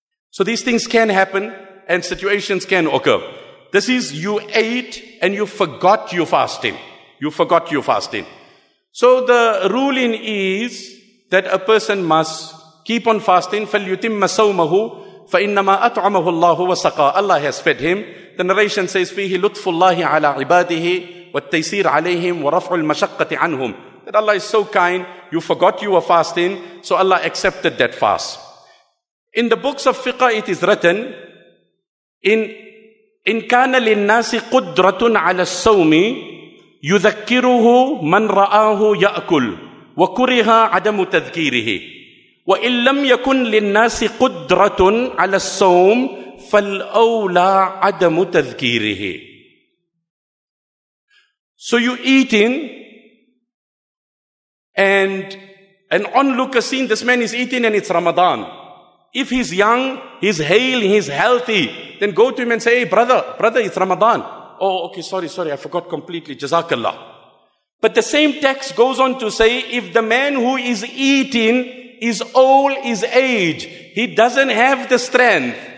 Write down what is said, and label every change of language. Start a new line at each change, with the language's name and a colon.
English: So these things can happen and situations can occur. This is you ate and you forgot your fasting. You forgot your fasting. So the ruling is that a person must keep on fasting.
Arabic: فَلْيُتِمَّ سَوْمَهُ فَإِنَّمَا أَطْعَمَهُ اللَّهُ وَسَقَى.
English: Allah has fed him. The narration says,
Arabic: فِيهِ لُطْفُ اللَّهِ عَلَىٰ عِبَادِهِ وَالتَّيْسِيرُ عَلَيْهِمْ وَرَفْعُ الْمَشَقَّةِ عَنْهُمْ.
English: That Allah is so kind, you forgot you were fasting, so Allah accepted that fast. In the books of fiqh, it is written,
Arabic: إِنْ كَانَ لِلنَّاسِ قُدْرَةٌ عَلَىٰ السَّوْمِ يُذَكِّرُهُ مَنْ رَآهُ يَأْكُلُ وَكُرِهَا عَدَمُ تَذْكِيرِهِ وَإِنْ لَمْ يَكُنْ لِلنَّاسِ قُدْرَةٌ عَلَىٰ السَّوْمِ فَالْأَوْلَىٰ عَدَمُ تَذْكِيرِهِ.
English: So you eating, and an onlooker seeing this man is eating and it's Ramadan. If he's young, he's hale, he's healthy, then go to him and say, hey, brother, it's Ramadan. Oh, okay, sorry, I forgot completely. Jazakallah. But the same text goes on to say, if the man who is eating is old, is age, he doesn't have the strength.